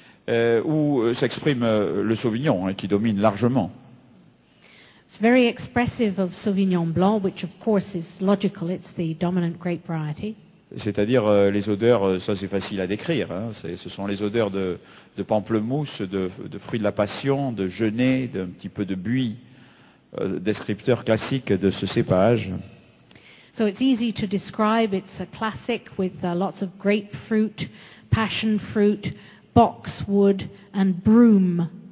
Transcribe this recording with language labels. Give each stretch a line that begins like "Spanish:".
French: Où s'exprime le Sauvignon, hein, qui domine largement.
English: It's very expressive of Sauvignon Blanc, which of course is logical. It's the dominant grape variety.
French: C'est-à-dire les odeurs, ça c'est facile à décrire, hein. Ce sont les odeurs de pamplemousse, de fruits de la passion, de genêt, d'un petit peu de buis, descripteur classique de ce cépage.
English: So it's easy to describe, it's a classic with lots of grapefruit, passion fruit, boxwood and broom.